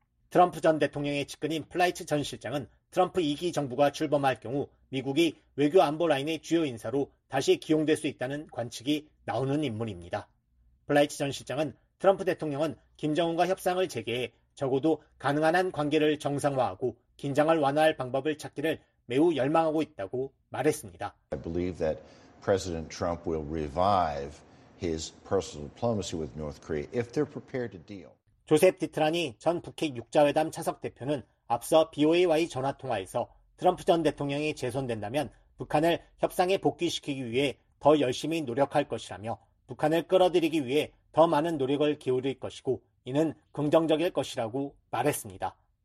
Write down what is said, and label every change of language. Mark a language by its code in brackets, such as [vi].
[ko] 트럼프 전 대통령의 측근인 플라이츠 전 실장은 트럼프 2기 정부가 출범할 경우 미국이 외교 안보 라인의 주요 인사로 다시 기용될 수 있다는 관측이 나오는 인물입니다. 플라이츠 전 실장은 트럼프 대통령은 김정은과 협상을 재개해 적어도 가능한 한 관계를 정상화하고 긴장을 완화할 방법을 찾기를 매우 열망하고 있다고 말했습니다. [en] I believe that President Trump will revive his personal diplomacy with North Korea if they're prepared to deal. [ko] 조셉 디트라니 전 북핵 6자회담 차석 대표는 앞서 BOA와의 전화 통화에서 트럼프 전 대통령이 재선된다면 북한을 협상에 복귀시키기 위해 더 열심히 노력할 것이라며 북한을 끌어들이기 위해 더 많은 노력을 기울일 것이고 이는 긍정적일 것이라고 말했습니다.